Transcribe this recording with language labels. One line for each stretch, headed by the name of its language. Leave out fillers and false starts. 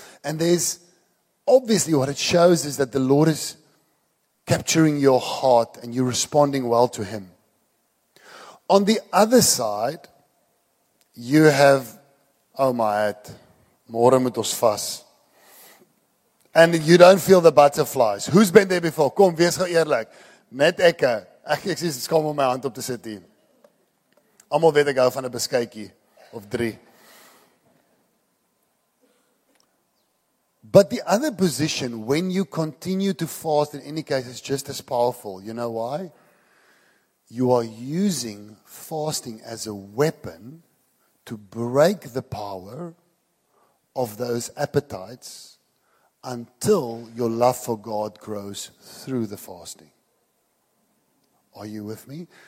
English: And there's, obviously what it shows is that the Lord is capturing your heart, and you're responding well to him. On the other side, you have, oh my,
Afrikaans: more moet ons vas.
English: And you don't feel the butterflies. Who's been there before?
Afrikaans: Kom, wees gou eerlik. Net ekke. Ek sê, dit kom om my hand op te sit hier. Almal weet ek hou van 'n beskuitjie of drie.
English: But the other position, when you continue to fast, in any case, is just as powerful. You know why? You are using fasting as a weapon to break the power of those appetites until your love for God grows through the fasting. Are you with me?